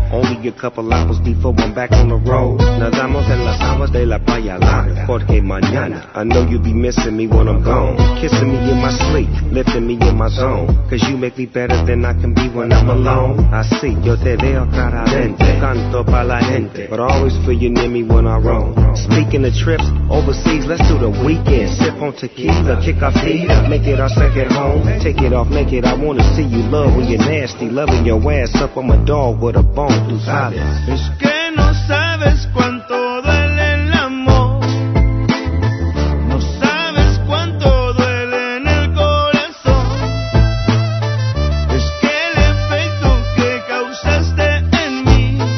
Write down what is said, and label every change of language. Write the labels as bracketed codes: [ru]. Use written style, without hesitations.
[en] Only a couple hours before I'm back on the road. [es] Nadamos en las aguas de la playa larga. Porque mañana, [en] I know you'll be missing me when I'm gone. Kissing me in my sleep, lifting me in my zone. Cause you make me better than I can be when I'm alone. [es] Así, yo te veo claramente. Canto pa' la gente. [en] But I always feel you near me when I roam. Speaking of trips, overseas, let's do the weekend. Sip on tequila, kick our feet up. Make it our second home. Take it off naked, I wanna see you love when you're nasty. Loving your ass up on my dog with a bone, [es] tú sabes. Es que no sabes cuánto duele el amor. No sabes cuánto duele en el corazón. Es que el efecto que causaste en mí.